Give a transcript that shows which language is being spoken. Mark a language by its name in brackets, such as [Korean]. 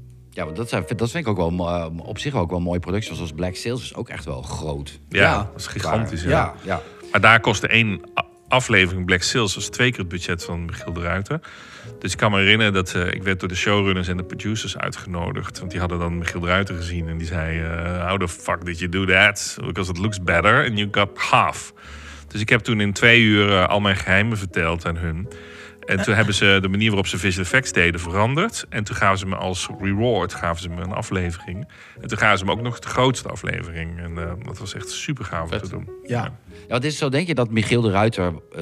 [Dutch] Ja, want dat vind ik ook wel op zich ook wel een mooie productie. Zoals Black Sails is ook echt wel groot. Ja, dat is gigantisch. Ja. Maar daar kostte één aflevering Black Sails was twee keer het budget van Michiel de Ruiter. Dus ik kan me herinneren dat ik werd door de showrunners en de producers uitgenodigd. Want die hadden dan Michiel de Ruiter gezien. En die zei, [English] how the fuck did you do that? Because it looks better and you got half. [Dutch] Dus ik heb toen in 2 uur al mijn geheimen verteld aan hun. En toen hebben ze de manier waarop ze visual effects deden veranderd. En toen gaven ze me als reward gaven ze me een aflevering. En toen gaven ze me ook nog de grootste aflevering. En dat was echt super gaaf om te doen. Ja. Ja, wat is zo, denk je dat Michiel de Ruiter...